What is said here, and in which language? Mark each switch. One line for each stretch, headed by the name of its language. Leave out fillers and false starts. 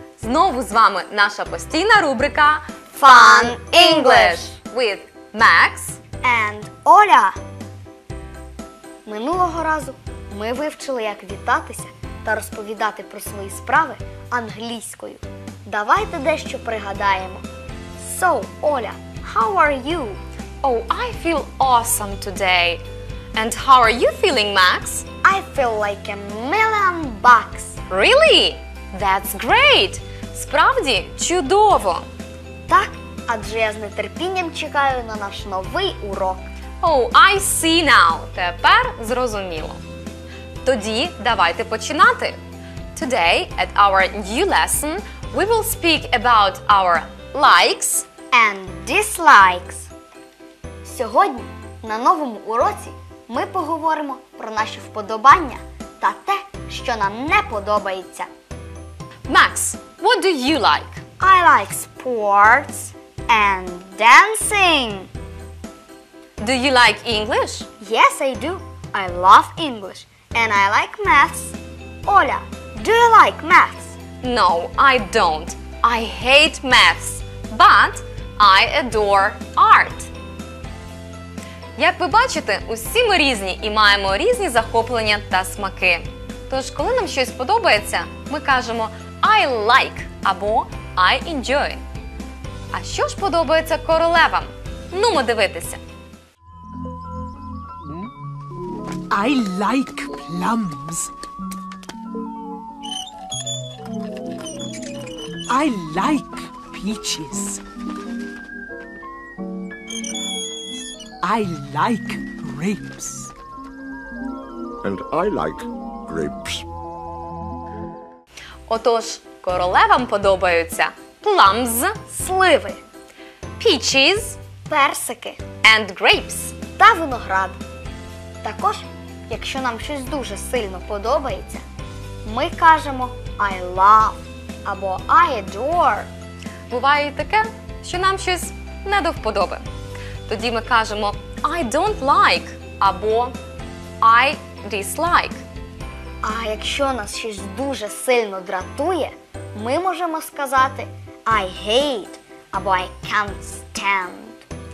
Ukrainian: Знову з вами наша постійна рубрика
English: Fun English with Max and Оля!
Ukrainian: Минулого разу ми вивчили, як вітатися та розповідати про свої справи англійською. Давайте дещо пригадаємо.
English: So, Оля, how are you? Oh, I feel awesome today. And how are you feeling, Max? I feel like a million bucks. Really? That's great!
Ukrainian: Справді, чудово! Так, адже я з нетерпінням чекаю на наш новий урок.
English: Oh, I see now.
Ukrainian: Тепер зрозуміло. Тоді давайте починати.
English: Today, at our new lesson, we will speak about our likes and dislikes.
Ukrainian: Сьогодні на новому уроці ми поговоримо про наші вподобання та те, що нам не подобається.
English: Max, what do you like? I like sports and dancing. Do you like English? Yes, I do. I love English and I like maths. Оля, do you like maths? No, I don't. I hate maths, but I adore art.
Ukrainian: Як ви бачите, усі ми різні і маємо різні захоплення та смаки. Тож, коли нам щось подобається, ми кажемо
English: I like
Ukrainian: або
English: I enjoy.
Ukrainian: А що ж подобається королевам? Нумо дивитися.
English: I like plums. I like peaches. I like grapes. And I like grapes.
Ukrainian: Отож, королевам подобаються plums – сливи,
English: peaches
Ukrainian: – персики,
English: and grapes
Ukrainian: – та виноград. Також, якщо нам щось дуже сильно подобається, ми кажемо
English: I love
Ukrainian: або
English: I adore.
Ukrainian: Буває і таке, що нам щось не до вподоби. Тоді ми кажемо
English: I don't like
Ukrainian: або
English: I dislike.
Ukrainian: А якщо нас щось дуже сильно дратує, ми можемо сказати
English: I hate
Ukrainian: або
English: I can't stand.